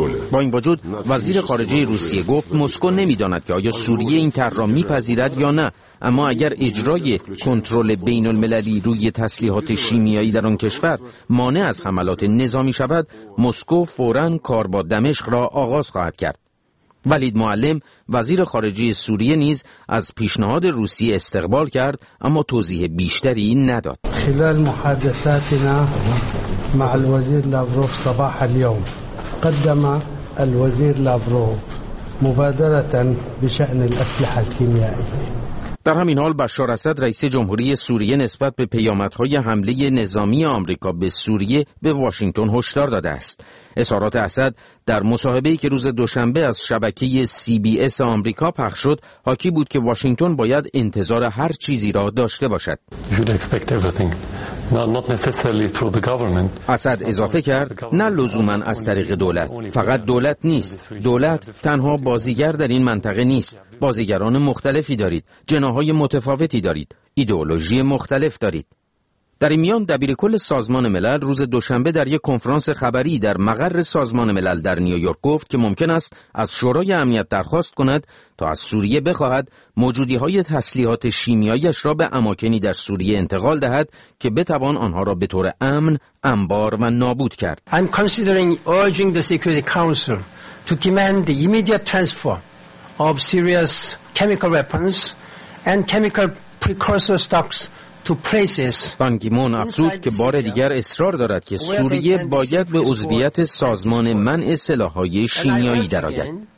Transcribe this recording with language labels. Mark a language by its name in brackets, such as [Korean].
[Persian] با این وجود وزیر خارجه روسیه گفت مسکو نمی‌داند که آیا سوریه این طرح را می‌پذیرد یا نه، اما اگر اجرای کنترل بین المللی روی تسلیحات شیمیایی در آن کشور مانع از حملات نظامی شود، مسکو فوراً کار با دمشق را آغاز خواهد کرد. ولید معلم وزیر خارجه سوریه نیز از پیشنهاد روسیه استقبال کرد اما توضیح بیشتری نداد. [Arabic] خلال محادثاتنا مع الوزير لافروف صباح اليوم قدم الوزير لافروف مبادرة بشأن الأسلحة الكيميائية. [Persian] در همین حال بشار اسد رئیس جمهوری سوریه نسبت به پیامدهای حمله نظامی آمریکا به سوریه به واشنگتن هشدار داده است. اظهارات اسد در مصاحبه‌ای که روز دوشنبه از شبکه CBS آمریکا پخش شد، حاکی بود که واشنگتن باید انتظار هر چیزی را داشته باشد. اسد اضافه کرد نه لزوماً از طریق دولت، فقط دولت نیست، دولت تنها بازیگر در این منطقه نیست، بازیگران مختلفی دارید، جناح‌های متفاوتی دارید، ایدئولوژی مختلف دارید. در این میان دبیر کل سازمان ملل روز دوشنبه در یک کنفرانس خبری در مقر سازمان ملل در نیویورک گفت که ممکن است از شورای امنیت درخواست کند تا از سوریه بخواهد موجودی‌های تسلیحات شیمیاییش را به اماکنی در سوریه انتقال دهد که بتوان آنها را به طور امن انبار و نابود کرد. [English] I'm considering urging the Security Council to demand the immediate transfer of Syria's chemical weapons and chemical precursor stocks. [Persian] بان کی مون افزود که بار دیگر اصرار دارد که سوریه باید به عضویت سازمان منع سلاح‌های شیمیایی درآید.